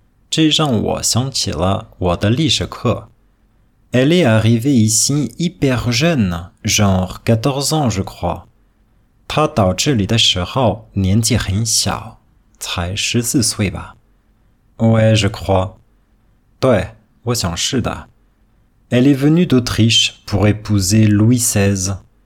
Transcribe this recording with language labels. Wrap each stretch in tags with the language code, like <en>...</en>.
<zh>这让我想起了我的历史课.</zh> <fr>Elle est arrivée ici hyper jeune, genre 14 ans, je crois.</fr> <zh>她到这里的时候年纪很小, 才14岁吧.</zh> <fr>Ouais, je crois.</fr> <zh>对,我想是的.</zh> <fr>Elle est venue d'Autriche pour épouser Louis XVI.</fr>